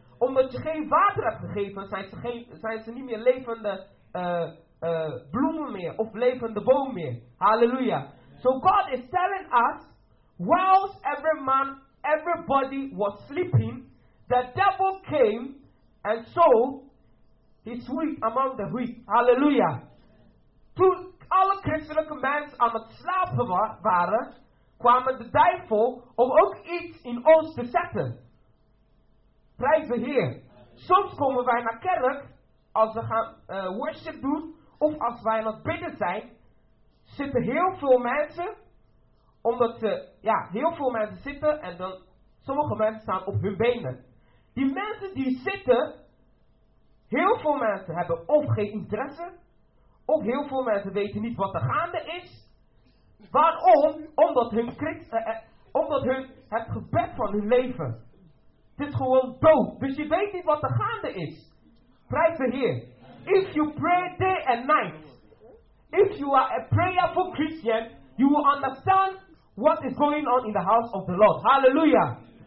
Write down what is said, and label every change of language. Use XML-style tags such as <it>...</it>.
<nl>Omdat je geen water hebt gegeven, zijn ze niet meer levende bloemen meer, of levende boom meer. Halleluja.</nl> <en>So God is telling us, whilst everybody was sleeping, the devil came and sowed his wheat among the wheat.</en> <nl>Halleluja. Toen alle christelijke mensen aan het slapen waren, kwamen de duivel om ook iets in ons te zetten. Prijs de Heer. Soms komen wij naar kerk, als we gaan worship doen, of als wij aan het bidden zijn, zitten heel veel mensen, omdat ze, heel veel mensen zitten, en dan sommige mensen staan op hun benen. Die mensen die zitten, heel veel mensen hebben of geen interesse, of heel veel mensen weten niet wat er gaande is. Waarom? Omdat het gebed van hun leven. Het is gewoon dood. Dus je weet niet wat er gaande is. Prijs de Heer.</nl> <en>If you pray day and night, if you are a prayerful Christian, you will understand what is going on in the house of the Lord. Hallelujah.</en>